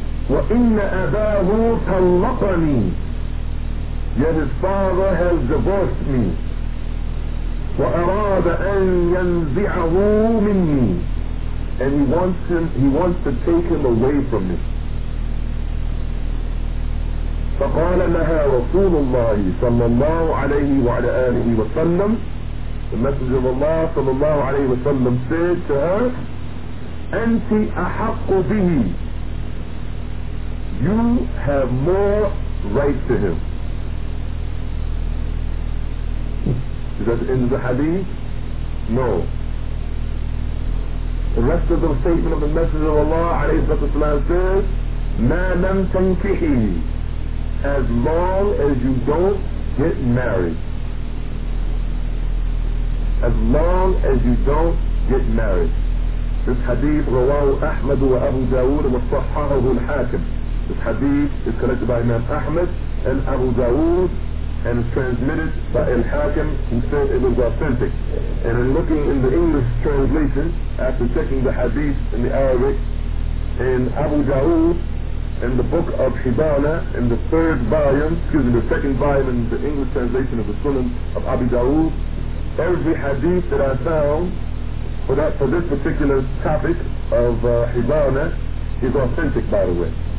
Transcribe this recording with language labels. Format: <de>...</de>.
<ar>وَإِنَّ أَبَاهُ طَلَّقَنِي,</ar> <en>yet his father has divorced me.</en> <ar>وَأَرَادَ أَنْ يَنْزِعَهُ مِنِّي,</ar> <en>and he wants to take him away from me.</en> <ar>فَقَالَ لَهَا رَسُولُ اللَّهِ صَلَّى اللَّهُ عَلَيْهِ وَعَلَى آلِهِ وَسَلَّمْ,</ar> <en>the Messenger of Allah صلى الله عليه وسلم said to her,</en> <ar>أَنْتِ أَحَقُّ بِهِ,</ar> <en>you have more right to him. Is that the end of the hadith? No. The rest of the statement of the Messenger of Allah alayhi wasallam says,</en> <ar>مَا لَمْ تَنْكِحِ,</ar> <en>as long as you don't get married. As long as you don't get married. This hadith,</en> <ar>رواه أحمد وأبو داود وصححه الحاكم.</ar> <en>This hadith is collected by Imam Ahmad and Abu Dawood and is transmitted by Al-Hakim, who said it was authentic. And in looking in the English translation, after checking the hadith in the Arabic, in Abu Dawood, in the book of Hibana, in the third volume, excuse me, the second volume in the English translation of the Sunan of Abu Dawood, every hadith that I found for this particular topic of Hibana is authentic, by the way.</en>